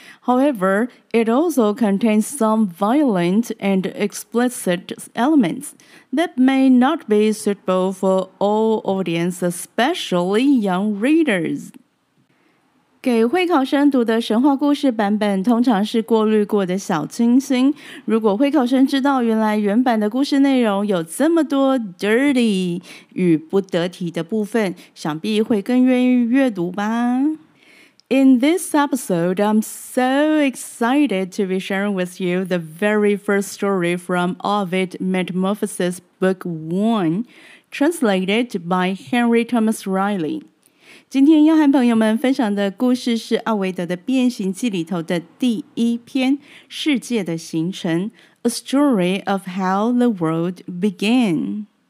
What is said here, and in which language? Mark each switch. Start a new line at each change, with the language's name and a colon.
English: However, it also contains some violent and explicit elements that may not be suitable for all audiences, especially young readers.
Chinese: 给会考生读的神话故事版本通常是过滤过的小清新。如果会考生知道原来原版的故事内容有这么多 dirty 与不得体的部分，想必会更愿意阅读吧。
English: In this episode, I'm so excited to be sharing with you the very first story from Ovid Metamorphoses Book 1, translated by Henry Thomas Reilly.
Chinese: 今天要和朋友们分享的故事是奥维德的《变形记》里头的第一篇《世界的形成》 A Story of How the World Began